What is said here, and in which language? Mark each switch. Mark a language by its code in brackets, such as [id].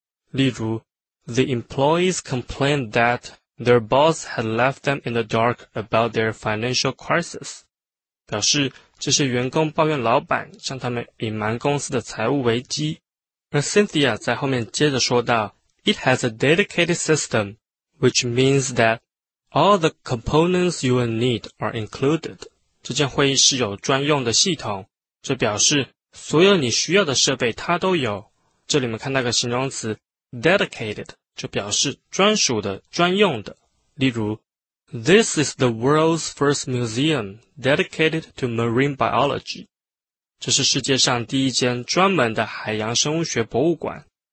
[zh] 例如 [en] ,the employees complained that their boss had left them in the dark about their financial crisis, [zh] 表示这些员工抱怨老板向他们隐瞒公司的财务危机。而 Cynthia 在后面接着说道 [en] ,it has a dedicated system, which means that all the components you will need are included. [zh] 这间会议室有专用的系统，这表示所有你需要的设备它都有。这里我们看到个形容词 dedicated, 就表示专属的、专用的。例如 [en] ,This is the world's first museum dedicated to marine biology. [zh] 这是世界上第一间专门的海洋生物学博物馆。